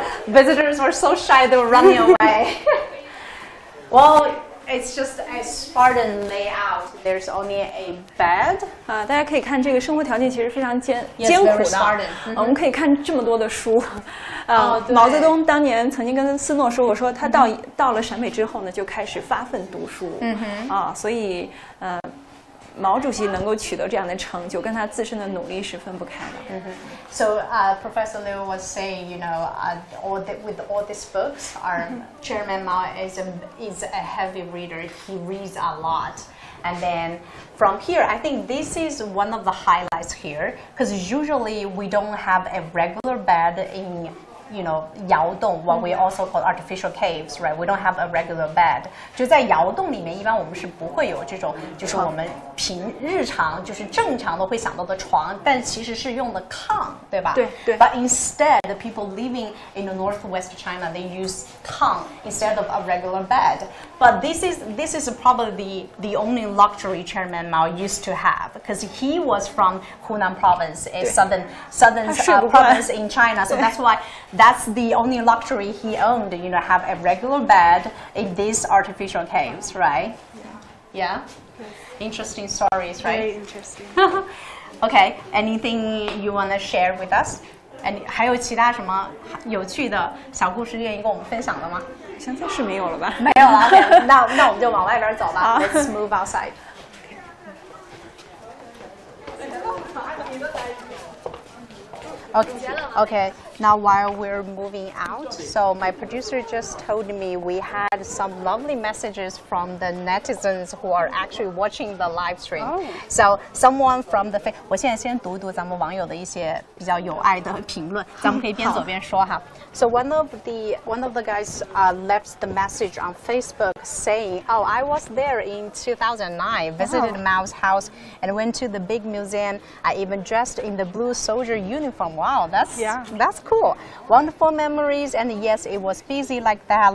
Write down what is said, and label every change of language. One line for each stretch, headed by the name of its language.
English: visitors were so shy, they were running away. Well, It's just a Spartan layout. There's only a bed.
Chinese: 大家可以看这个生活条件其实非常艰苦的。
English: Yes, very Spartan. Mm-hmm.
Chinese: 我们可以看这么多的书。毛泽东当年曾经跟斯诺说过，说他到、mm-hmm. 到了陕北之后呢，就开始发奋读书。嗯、mm-hmm. 哼。所以，毛主席能够取得这样的成就，跟他自身的努力是分不开的。 Mm-hmm.
English: So, Professor Liu was saying, you know, with all these books, our Chairman Mao is a heavy reader. He reads a lot. And then from here, I think this is one of the highlights here, because usually we don't have a regular bed in, you know, 窑洞, what we also call artificial caves, right? We don't have a regular bed.
Chinese: 就在窑洞里面，一般我们是不会有这种，就是我们平日常就是正常的会想到的床，但其实是用的炕，对吧？对对。
English: But instead, the people living in the northwest China, they use 炕 instead of a regular bed. But this is probably the only luxury Chairman Mao used to have, because he was from Hunan province, a southern province in China. So that's why. That's the only luxury he owned, you know, have a regular bed in these artificial caves, right? Yeah. Yes. Interesting stories, right? Very interesting. Okay, anything you want to share with us?
Chinese: And 还有其他什么有趣的小故事愿意跟我们分享的吗？现在是没有了吧？没有了。Okay, 那我们就往外边走吧。
English: Let's move outside. Okay, now while we're moving out, so my producer just told me we had some lovely messages from the netizens who are actually watching the live stream. Oh. So someone from the...
Chinese: 我现在先读读咱们网友的一些比较有爱的评论，咱们可以边走边说哈。
English: So one of the guys left the message on Facebook saying, oh, I was there in 2009, visited Mao's house and went to the big museum. I even dressed in the blue soldier uniform. Wow, that's cool. Wonderful memories. And yes, it was busy like that.